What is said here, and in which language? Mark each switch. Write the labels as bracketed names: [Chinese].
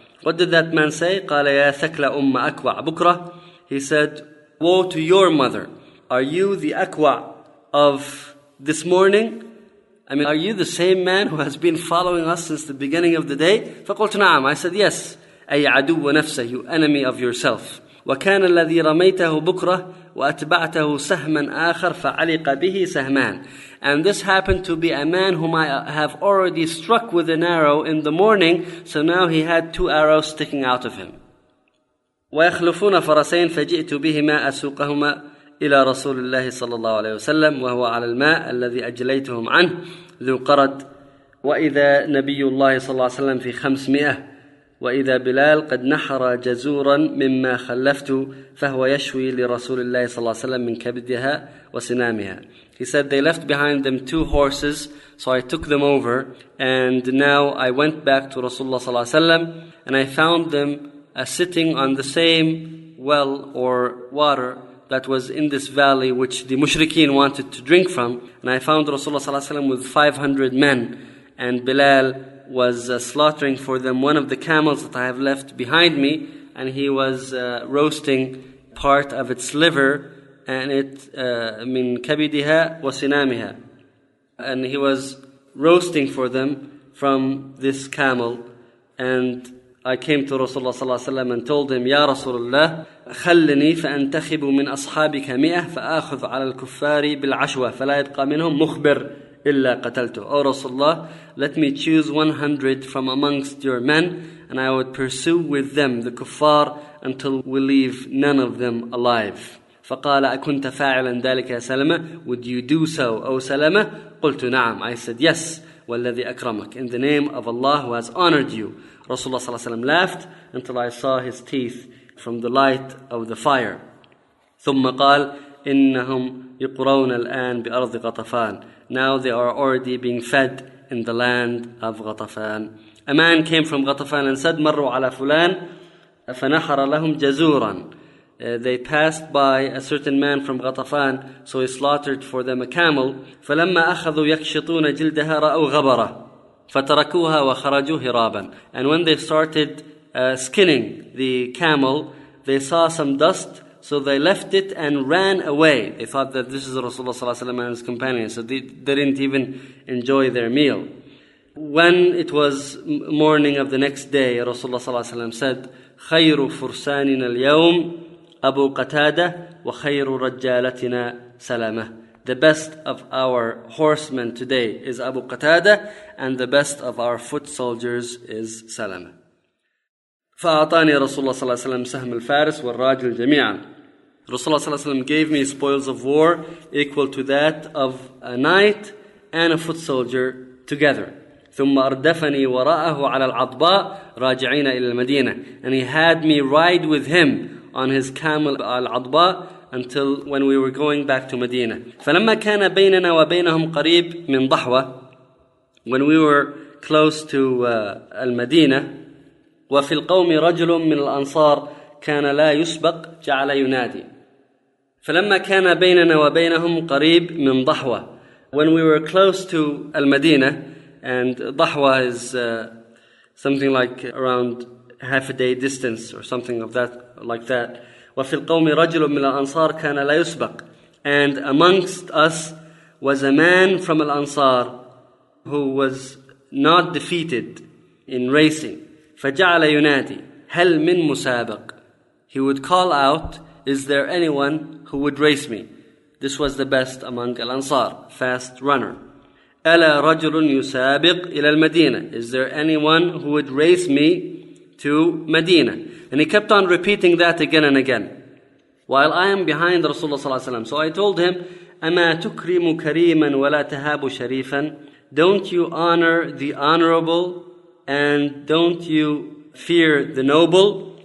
[English] What did that man say? [Arabic] قَالَ يَا ثَكْلَ أُمَّ أَكْوَعَ بُكْرَ. [English] He said, woe to your mother, are you the Akwa' of this morning? I mean, are you the same man who has been following us since the beginning of the day? [Arabic] فَقُلْتُ نَعَمْ. [English] I said, yes. [Arabic] أي عدو نفسه, [English] you enemy of yourself. [Arabic] وكان الذي رميته بكرة وأتبعته سهما آخر فعلق به سهمان. [English] And this happened to be a man whom I have already struck with an arrow in the morning, so now he had two arrows sticking out of him. [Arabic] ويخلفون فرسين فجئت بهما أسوقهما إلى رسول الله صلى الله عليه وسلم وهو على الماء الذي أجليتهم عنه ذو قرد وإذا نبي الله صلى الله عليه وسلم في 500 وإذا بلال قد نحر جزورا مما خلفت فهو يشوي لرسول الله صلى الله عليه وسلم من كبدها وسنامها. [English] He said, they left behind them two horses, so I took them over, and now I went back to Rasulullah صلى الله عليه وسلم, and I found them sitting on the same well or water that was in this valley which the mushrikeen wanted to drink from, and I found Rasulullah صلى الله عليه وسلم with 500 men, and Bilal was slaughtering for them one of the camels that I have left behind me, and he was roasting part of its liver, and it [Arabic] من كبدها وسنامها, [English] and he was roasting for them from this camel, and I came to Rasulullah sallallahu alayhi wa sallam and told him, Ya Rasulullah, [Arabic] خلني فأنتخب من أصحابك مئة فأخذ على الكفار بالعشوة فلا يبقى منهم مخبر إلا قتلته. [English] Oh Rasulullah, let me choose 100 from amongst your men and I would pursue with them the kuffar until we leave none of them alive. [Arabic] فقال أكنت فاعلا ذلك يا سلمة؟ [English] Would you do so, O Salama? [Arabic] قلت نعم. [English] I said yes. [Arabic] والذي أكرمك. [English] In the name of Allah who has honored you. Rasulullah sallallahu alayhi wa sallam laughed until I saw his teeth from the light of the fire. [Arabic] ثم قال إنهم يقرون الآن بأرض غطفان. [English] Now they are already being fed in the land of غطفان. A man came from غطفان and said [Arabic] مروا على فلان فنحر لهم جزورا. [English] They passed by a certain man from غطفان, so he slaughtered for them a camel. [Arabic] فلما أخذوا يكشطون جلدها رأوا غبرة فتركوها وخرجوا هرابا. [English] And when they started skinning the camel, they saw some dust, so they left it and ran away. They thought that this is Rasulullah sallallahu alaihi wasallam and his companions, so they didn't even enjoy their meal. When it was morning of the next day, Rasulullah sallallahu alaihi wasallam said, [Arabic] خير فرساننا اليوم أبو قتادة وخير رجالتنا سلامة. [English] The best of our horsemen today is Abu Qatada, and the best of our foot soldiers is Salama. [Arabic] فأعطاني رسول الله صلى الله عليه وسلم سهم الفارس والراجل جميعا. [English] رسول الله صلى الله عليه وسلم gave me spoils of war equal to that of a knight and a foot soldier together. [Arabic] ثم أردفني وراءه على العضباء راجعين إلى المدينة. [English] And he had me ride with him on his camel العضباء until when we were going back to Medina. [Arabic] فلما كان بيننا وبينهم قريب من ضحوة, [English] when we were close to [Arabic] المدينة, وفي القوم رجل من الأنصار كان لا يسبق جعل ينادي. فلما كان بيننا وبينهم قريب من ضحوة, [English] when we were close to المدينة, and ضحوة is something like around half a day distance or something of that like that. [Arabic] وفي القوم رجل من الأنصار كان لا يسبق. [English] And amongst us was a man from الأنصار who was not defeated in racing. [Arabic] فجعل ينادي هل من مسابق. [English] He would call out, is there anyone who would race me? This was the best among الأنصار, fast runner. [Arabic] ألا رجل يسابق إلى المدينة. [English] Is there anyone who would race me to Medina? And he kept on repeating that again and again. While I am behind Rasulullah sallallahu alayhi wa sallam. So I told him, [Arabic] أما تكرم كريما ولا تهاب شريفا. [English] Don't you honor the honorable and don't you fear the noble?